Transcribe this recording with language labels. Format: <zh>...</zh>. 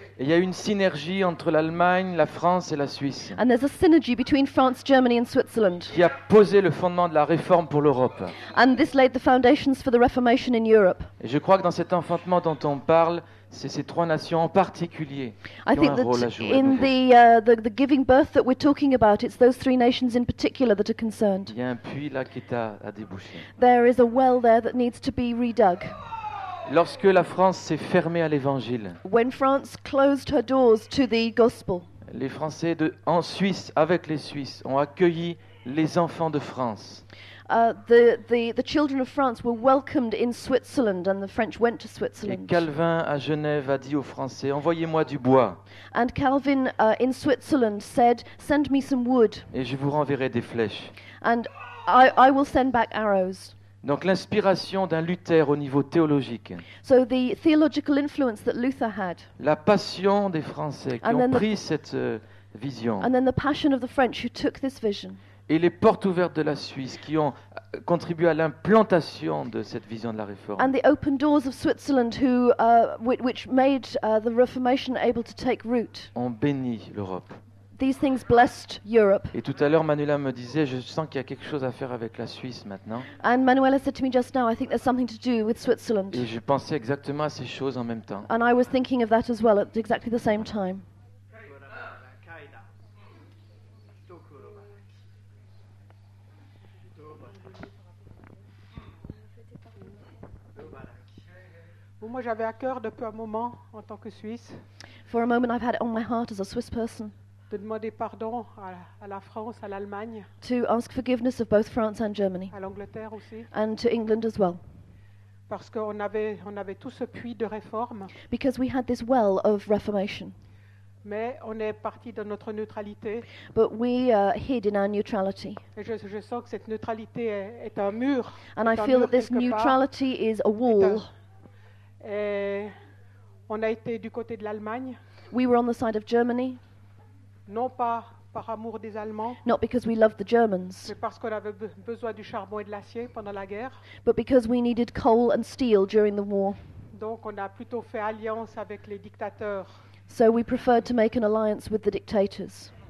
<fr>Et il y a une synergie entre l'Allemagne, la France et la Suisse.</fr> <en>And there's a synergy between France, Germany and Switzerland.</en> <fr>Qui a posé le fondement de la réforme pour l'Europe.</fr> <en>And this laid the foundations for the Reformation in Europe.</en> <fr>Et je crois que dans cet enfantement dont on parle, c'est ces trois nations en particulier qui ont un rôle à jouer.</fr> <en>In the giving birth that we're talking about, it's those three nations in particular that are concerned.</en> <fr>Il y a un puits là qui est à déboucher.</fr> <en>There is a well there that needs to be redug.</en> <fr>Lorsque la France s'est fermée à l'évangile.</fr> <en>When France closed her doors to the gospel.</en> <fr>Les Français en Suisse avec les Suisses ont accueilli les enfants de France.</fr> <en>The children of France were welcomed in Switzerland and the French went to Switzerland.</en> <fr>Et Calvin à Genève a dit aux Français, envoyez-moi du bois.</fr> <en>And Calvin in Switzerland said, send me some wood.</en> <fr>Et je vous renverrai des flèches.</fr> <en>And I will send back arrows.</en> <fr>Donc l'inspiration d'un Luther au niveau théologique.</fr> <en>So the theological influence that Luther had.</en> <fr>La passion des Français qui ont pris cette vision.</fr> <en>And then the passion of the French who took this vision.</en> <fr>Et les portes ouvertes de la Suisse qui ont contribué à l'implantation de cette vision de la réforme.</fr> <en>And the open doors of Switzerland who which made the Reformation able to take root.</en> <fr>Ont béni l'Europe.</fr> <en>These things blessed Europe.</en> <fr>Et tout à l'heure, Manuela me disait, je sens qu'il y a quelque chose à faire avec la Suisse maintenant.</fr> <en>And Manuela said to me just now, I think there's something to do with Switzerland.</en> <fr>Et je pensais exactement à ces choses en même temps.</fr> <en>And I was thinking of that as well at exactly the same time.</en> <fr>Bon, moi, j'avais à cœur depuis un moment en tant que Suisse.</fr> <en>For a moment, I've had it on my heart as a Swiss person.</en> <fr>De demander pardon à la France, à l'Allemagne.</fr> <en>To ask forgiveness of both France and Germany.</en> <fr>À l'Angleterre aussi.</fr> <en>And to England as well.</en> <fr>Parce qu'on avait tout ce puits de réforme.</fr> <en>Because we had this well of reformation.</en> <fr>Mais on est parti de notre neutralité.</fr> <en>But we hid in our neutrality.</en> <fr>Et je sens que cette neutralité est un mur.</fr> <en>And I feel that this neutrality is a wall.</en> <fr>Et on a été du côté de l'Allemagne.</fr> <en>We were on the side of Germany.</en> <fr>Non pas par amour des Allemands.</fr> <en>Not because we loved the Germans.</en> <fr>Mais parce qu'on avait besoin du charbon et de l'acier pendant la guerre.</fr> <en>But because we needed coal and steel during the war.</en> <fr>Donc on a plutôt fait alliance avec les dictateurs.</fr> <en>So we preferred to make an alliance with the dictators.</en>